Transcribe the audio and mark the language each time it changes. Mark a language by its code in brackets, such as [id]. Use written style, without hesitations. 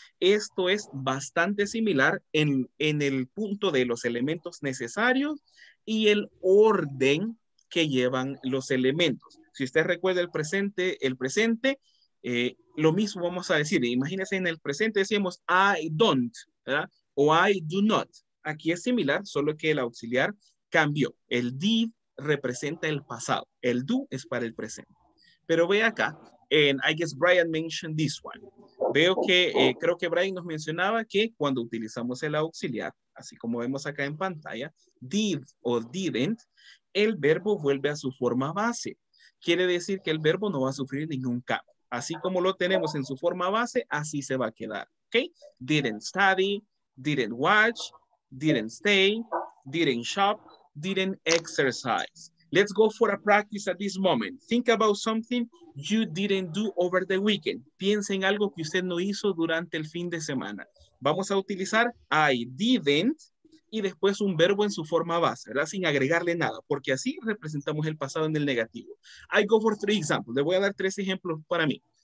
[es] Esto es bastante similar en el punto de los elementos necesarios y el orden que llevan los elementos. Si usted recuerda el presente, lo mismo vamos a decir. Imagínense en el presente decíamos [en] I don't, [es] ¿verdad? O [en] I do not. [es] Aquí es similar, solo que el auxiliar cambió. El did representa el pasado. El do es para el presente. Pero ve acá, [en] and I guess Brian mentioned this one. [es] Veo que, creo que Brian nos mencionaba que cuando utilizamos el auxiliar, así como vemos acá en pantalla, did o didn't, el verbo vuelve a su forma base. Quiere decir que el verbo no va a sufrir ningún cambio. Así como lo tenemos en su forma base, así se va a quedar. [en] Okay? Didn't study, didn't watch, didn't stay, didn't shop, didn't exercise. Let's go for a practice at this moment. Think about something you didn't do over the weekend. [es] Piensa en algo que usted no hizo durante el fin de semana. Vamos a utilizar I didn't y después un verbo en su forma base, ¿verdad? Sin agregarle nada, porque así representamos el pasado en el negativo. [en] I go for three examples. [es] Le voy a dar tres ejemplos para mí.